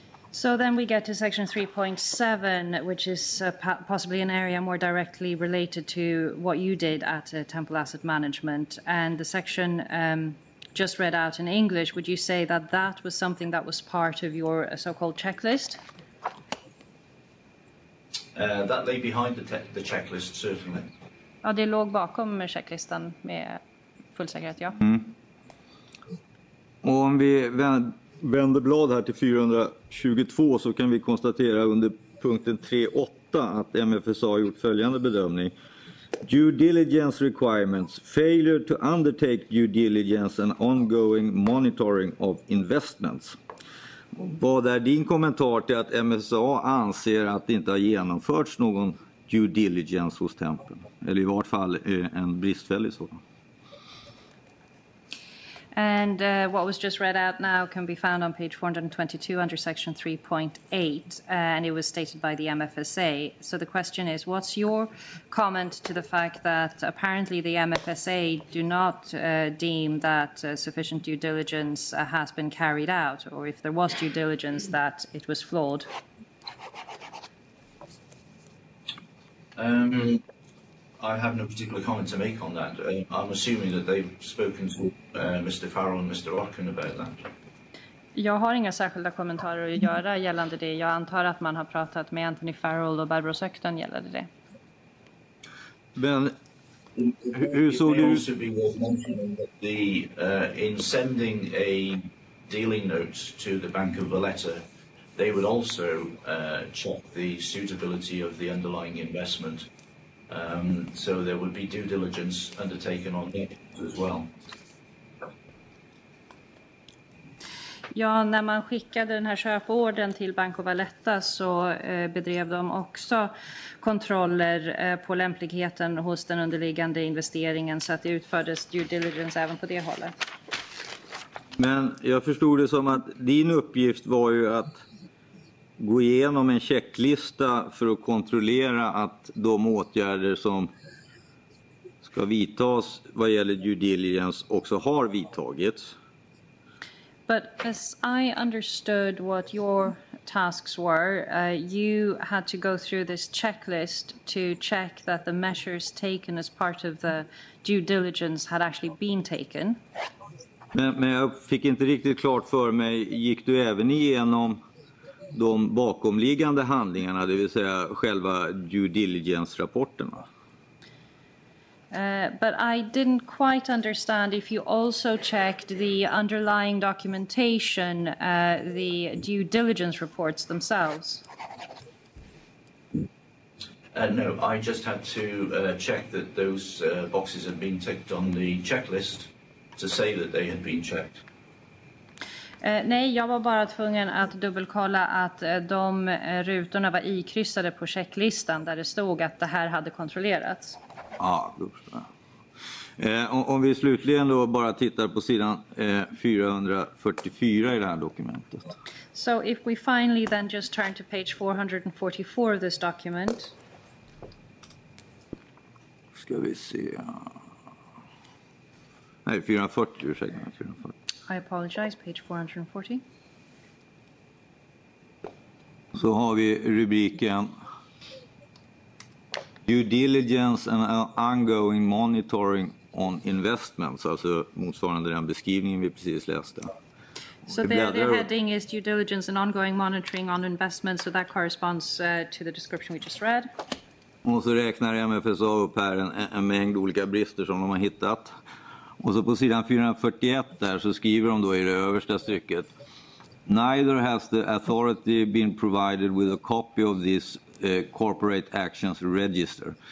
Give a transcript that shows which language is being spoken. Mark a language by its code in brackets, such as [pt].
[en] So then we get to section 3.7, which is possibly an area more directly related to what you did at Temple Asset Management. And the section just read out in English, would you say that that was something that was part of your so-called checklist? That lay behind the checklist, certainly. [sv] Ja, det låg bakom checklistan med full säkerhet, ja. Mm. Och om vi vänder blad här till 422 så kan vi konstatera under punkten 3.8 att MFSA har gjort följande bedömning. [en] Due diligence requirements, failure to undertake due diligence and ongoing monitoring of investments. [sv] Vad är din kommentar till att MFSA anser att det inte har genomförts någon due diligence hos Tempel? Eller i vart fall en bristfällig sådan? [en] And what was just read out now can be found on page 422 under section 3.8, and it was stated by the MFSA. So the question is, what's your comment to the fact that apparently the MFSA do not deem that sufficient due diligence has been carried out, or if there was due diligence, that it was flawed? I have no particular comment to make on that. I'm assuming that they've spoken to Mr. Farrell and Mr. Ocken about that. [sv] Jag har inga särskilda kommentarer att göra gällande det. Jag antar att man har pratat med Anthony Farrell och Barbara Sökten gällande det. Men hur såg du... [en] It may also be worth mentioning that the, in sending a dealing note to the Bank of Valletta, they would also check the suitability of the underlying investment. So there would be due diligence undertaken on it as well. [sv] Ja, när man skickade den här köpordern till Banco Valletta så bedrev de också kontroller på lämpligheten hos den underliggande investeringen, så att det utfördes due diligence även på det hållet. Men jag förstod det som att din uppgift var ju att gå igenom en checklista för att kontrollera att de åtgärder som ska vidtas vad gäller due diligence också har vidtagits. [en] But as I understood what your tasks were, you had to go through this checklist to check that the measures taken as part of the due diligence had actually been taken. [sv] Men jag fick inte riktigt klart för mig, gick du även igenom de bakomliggande handlingarna, det vill säga själva due diligence-rapporterna? [en] But I didn't quite understand if you also checked the underlying documentation, the due diligence reports themselves. No, I just had to check that those boxes had been ticked on the checklist to say that they had been checked. [sv] Nej, jag var bara tvungen att dubbelkolla att de rutorna var ikryssade på checklistan där det stod att det här hade kontrollerats. Ja, om vi slutligen då bara tittar på sidan 444 i det här dokumentet. [en] So if we finally then just turn to page 444 of this document. [sv] Ska vi se. Nej, 440, ursäkta, 440. [en] I apologize, page 440. [sv] Så har vi rubriken due diligence and ongoing monitoring on investments, alltså motsvarande den beskrivningen vi precis läste. [en] So the heading is due diligence and ongoing monitoring on investments, so that corresponds to the description we just read. [sv] Och så räknar MFSA upp här en mängd olika brister som de har hittat. Och så på sidan 441 där så skriver de då i det översta stycket: neither has the authority been provided with a copy of this corporate actions register.